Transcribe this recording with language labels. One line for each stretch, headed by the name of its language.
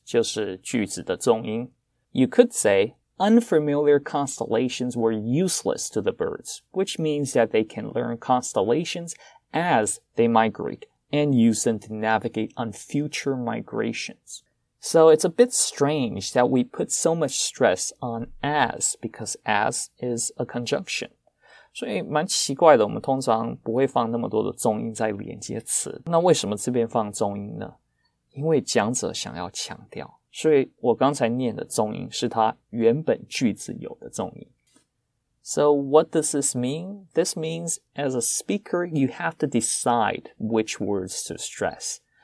Chinese: 就是句子的重音。
English: You could say, unfamiliar constellations were useless to the birds, which means that they can learn constellations as they migrate and use them to navigate on future migrations. So it's a bit strange that we put so much stress on as, because as is a conjunction.
Chinese: 所以蛮奇怪的，我们通常不会放那么多的重音在连接词。那为什么这边放重音呢？因为讲者想要强调，所以我刚才念的重音是他原本句子有的重音。
English: So what does this mean? This means as a speaker, you have to decide which words to stress.